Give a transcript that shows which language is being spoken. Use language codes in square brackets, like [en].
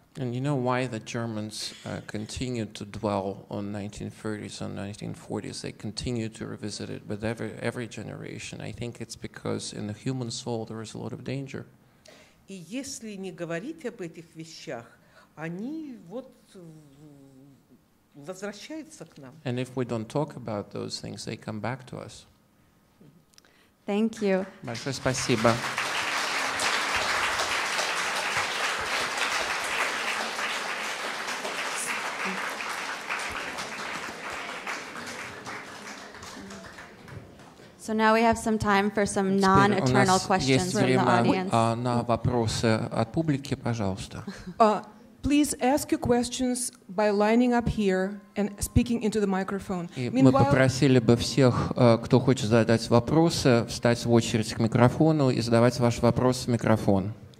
[en] And you know why the Germans continue to dwell on 1930s and 1940s? They continue to revisit it with every generation. I think it's because in the human soul there is a lot of danger. [ru] И если не говорить об этих вещах, они вот возвращаются к нам. [en] And if we don't talk about those things, they come back to us. Thank you. [ru] Большое спасибо. [en] So now we have some time for some non-eternal questions from the audience. [ru] На вопросы от публики, пожалуйста. [en] Please ask your questions by lining up here and speaking into the microphone. [ru] Мы попросили бы всех, кто хочет задать вопросы, встать в очередь к микрофону и задавать ваш вопрос в микрофон.